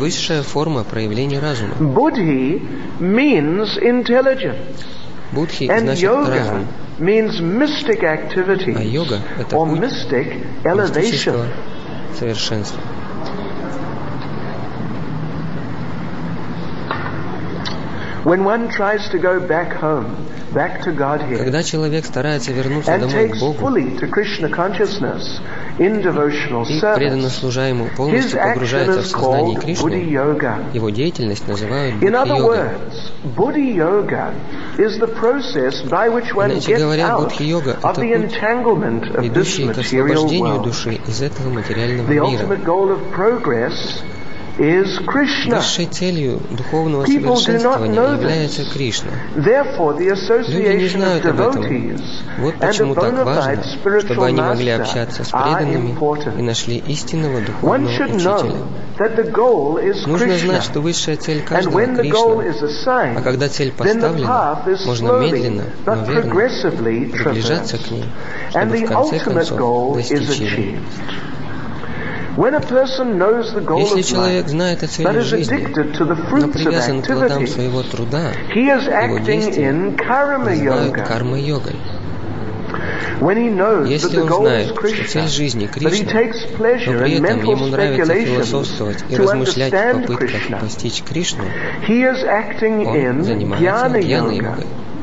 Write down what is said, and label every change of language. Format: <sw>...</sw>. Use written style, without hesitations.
<ru>Высшая форма проявления разума.</ru> <en>Buddhi means intelligence. Buddhi and</en> <ru>значит</ru> <en>yoga</en> <ru>разум.</ru> <en>Means mystic activity.</en> <ru>А йога это путь</ru> <en>or mystic elevation.</en> <ru>Мистического совершенства.</ru> <en>When one tries to go back home, back to Godhead,</en> <ru>когда человек старается вернуться домой к Богу,</ru> <en>fully to Krishna consciousness in devotional service,</en> <ru>и преданно служа ему полностью погружается в сознание Кришны, его деятельность называют</ru> <en>Buddhi-yoga. In other words, Buddhi-yoga is the process by which one gets out of the entanglement of this material world. The ultimate goal of progress is Krishna.</en> <ru>Высшей целью духовного совершенствования является Кришна.</ru> <en>Therefore, the association of devotees</en> <ru>вот</ru> <en>and a bona fide spiritual master are important. One should know that the goal is Krishna.</en> <ru>Знать, что высшая цель каждого</ru> <en>and when the goal is assigned,</en> <ru>а когда цель поставлена, можно медленно, но верно приближаться к ней,</ru> <en>and the ultimate goal is achieved. When a person knows the goal of life,</en> <ru>знает о цели</ru> <en>that is addicted to the fruits of activity, he is acting in karma yoga. When he knows that the goal</en> <ru>знает,</ru> <en>is Krishna, but he takes pleasure in mental speculation to understand Krishna, he is acting in jnana yoga.</en>